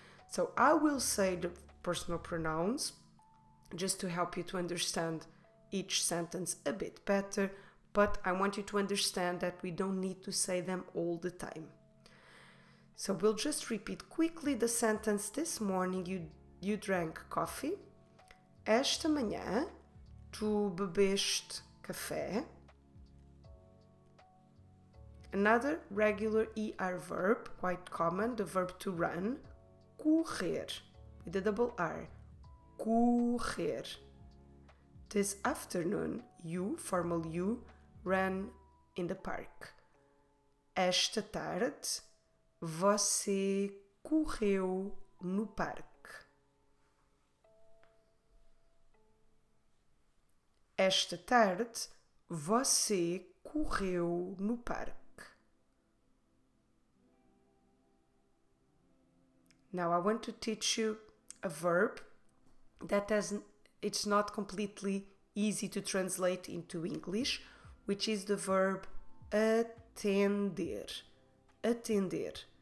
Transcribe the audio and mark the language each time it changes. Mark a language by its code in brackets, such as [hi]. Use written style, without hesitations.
[en] So I will say the personal pronouns just to help you to understand each sentence a bit better, but I want you to understand that we don't need to say them all the time. So we'll just repeat quickly the sentence. This morning you drank coffee. [pt] Esta manhã tu bebeste café. [en] Another regular ER verb, quite common, the verb to run, correr, with a double R, correr. This afternoon, you, formal you, ran in the park. [pt] Esta tarde, você correu no parque. Esta tarde, você correu no parque. [en] Now I want to teach you a verb that it's not completely easy to translate into English, which is the verb atender. Atender.